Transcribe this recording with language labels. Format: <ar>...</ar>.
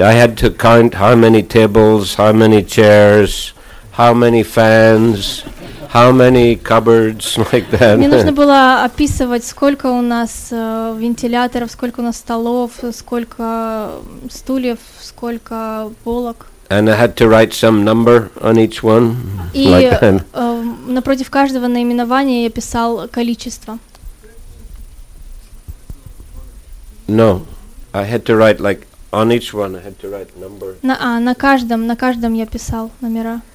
<en>I had to count how many tables, how many chairs. How many fans? How many cupboards like that?</en> <ru>Мне нужно было описывать, сколько у нас вентиляторов, сколько у нас столов, сколько стульев, сколько полок.</ru> <en>And I had to write some number on each one.</en> <ru>И напротив каждого наименования я писал количество.</ru> <en>No, I had to write like on each one. I had to write number.</en> <ru>На каждом я писал номера.</ru>